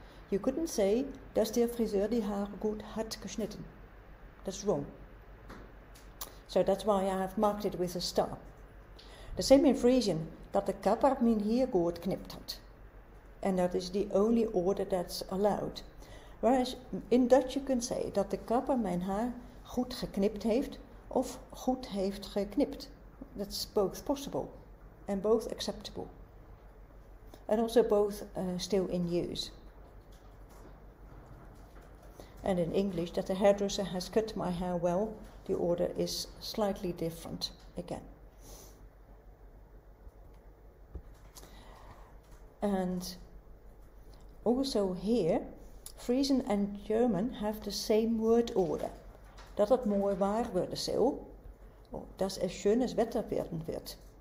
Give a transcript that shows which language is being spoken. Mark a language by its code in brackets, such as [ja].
[en] You couldn't say, [de] dass der Friseur die Haare gut hat geschnitten. [en] That's wrong. So that's why I have marked it with a star. The same in Frisian, [fy] dat de kapper min hier goed knipt had. [en] And that is the only order that's allowed. Whereas in Dutch you can say, [nl] dat de kapper mijn haar goed geknipt heeft, of goed heeft geknipt. [en] That's both possible, and both acceptable. And also both still in use. And in English, that the hairdresser has cut my hair well, the order is slightly different again. And also here, Frisian and German have the same word order. [fy] Dat het mooi waar worden zal, [de] dat het schönes wetter werden wird.